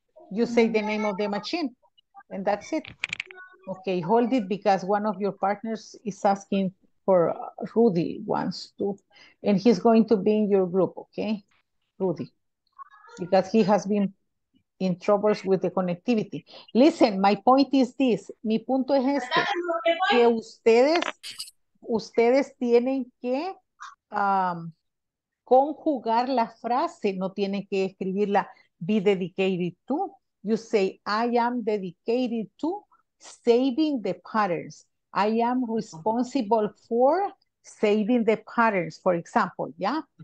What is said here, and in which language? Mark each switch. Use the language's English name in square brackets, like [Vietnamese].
[English] You say the name of the machine and that's it. Okay, hold it because one of your partners is asking for Rudy wants to, and he's going to be in your group, okay, Rudy, because he has been in troubles with the connectivity. Listen, my point is this. [Spanish] Mi punto es este, que ustedes tienen que conjugar la frase, no tienen que escribirla, [English] be dedicated to. You say, I am dedicated to saving the patterns. I am responsible for saving the patterns, for example, yeah?